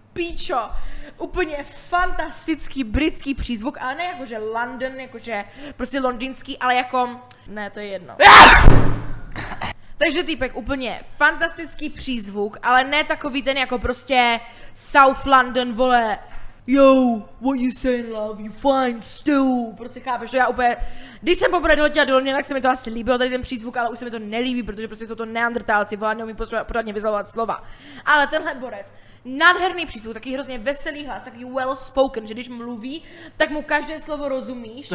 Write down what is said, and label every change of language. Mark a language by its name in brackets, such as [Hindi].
[Czech] Píčo, úplně fantastický britský přízvuk, ale ne jakože London, jakože prostě londýnský, ale jako, ne, to je jedno. Takže týpek, úplně fantastický přízvuk, ale ne takový ten jako prostě South London, vole. [English] Yo, what you say, love, you fine still. [Czech] Prostě chápeš, to já úplně, když jsem poprvé doletěla do Londýna, tak se mi to asi líbilo tady ten přízvuk, ale už se mi to nelíbí, protože prostě jsou to neandrtálci, vole, neumí pořádně vyzlovat slova. Ale tenhle borec, nádherný přízvuk, taky hrozně veselý hlas, taky [English] well spoken, [Czech] že když mluví, tak mu každé slovo rozumíš.